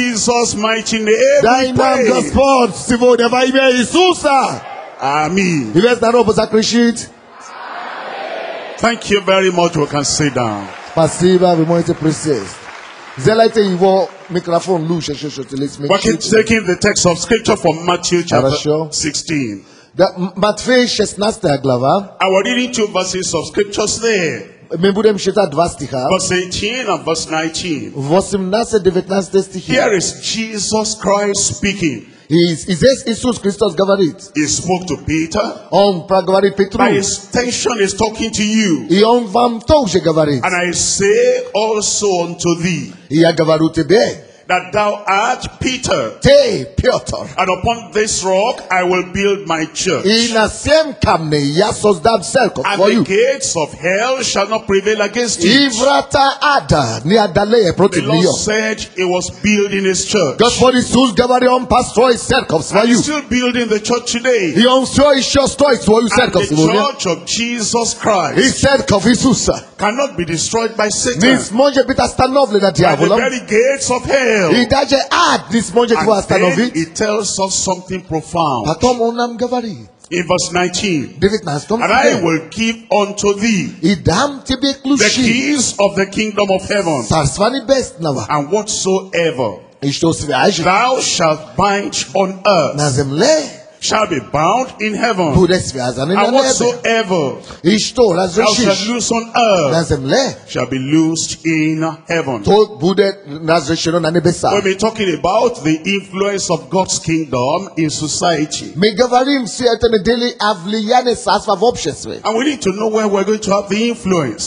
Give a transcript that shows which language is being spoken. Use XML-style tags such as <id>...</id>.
<en>Jesus, mighty name.</en> <ru>Дай нам Господь сегодня во имя Иисуса. Аминь. И весь народ закричит. Аминь.</ru> <en>Thank you very much. We can sit down.</en> <ru>Спасибо, вы можете присесть. Сделайте его микрофон лучше, чтобы лиц мы.</ru> <en>We're taking the text of scripture from Matthew chapter 16.</en> <ru>Матфея 16 глава.</ru> <en>I will read two verses of scriptures there.</en> <ru>Мы будем читать два стиха.</ru> <en>Verse 18 and verse 19.</en> <ru>18-19 стихи.</ru> <en>Here is Jesus Christ speaking.</en> <ru>Здесь Иисус Христос говорит.</ru> <en>He spoke to Peter.</en> <ru>Он проговорит Петру.</ru> <en>By extension, he's talking to you.</en> <ru>И он вам тоже говорит.</ru> <en>And I say also unto thee.</en> <ru>И я говорю тебе.</ru> <en>That thou art Peter.</en> <ru>Ты, Петр.</ru> <en>And upon this rock I will build my church.</en> <ru>И на сем камне я создам церковь. And for the you.</ru> <en>Gates of hell shall not prevail against it.</en> <ru>И врата ада не одолеют против нее.</ru> <en>The Lord said he was building his church.</en> <ru>Господь Иисус говорит, он построит церковь свою.</ru> <en>And he's still building the church today.</en> <ru>И он все еще строит свою церковь сегодня.</ru> <en>And the church of Jesus Christ.</en> <ru>И церковь Иисуса.</ru> <en>Cannot be destroyed by Satan.</en> <ru>Не сможет быть остановлена дьяволом.</ru> <en>By the very gates of hell.</en> <ru>И даже ад не сможет его остановить.</ru> <en>It tells us something profound.</en> <ru>Потом он нам говорит.</ru> <en>In verse 19. 19. And I will give unto thee.</en> <ru>И дам тебе ключи.</ru> <en>The keys of the kingdom of heaven.</en> <ru>Царство небесного.</ru> <en>And whatsoever.</en> <ru>И что свяжешь.</ru> <en>Thou shalt bind on earth.</en> <ru>На земле.</ru> <en>shall be bound in heaven.</en> <ru>Будет связан на небе. И что разрешишь</ru> <en>на земле, shall be loosed in heaven.</en> <ru>То будет разрешено на небесах.</ru> <en>We're talking about the influence of God's kingdom in society.</en> <ru>Мы говорим все это недели о влиянии царства в обществе.</ru> <en>And we need to know where we're going to have the influence.</en>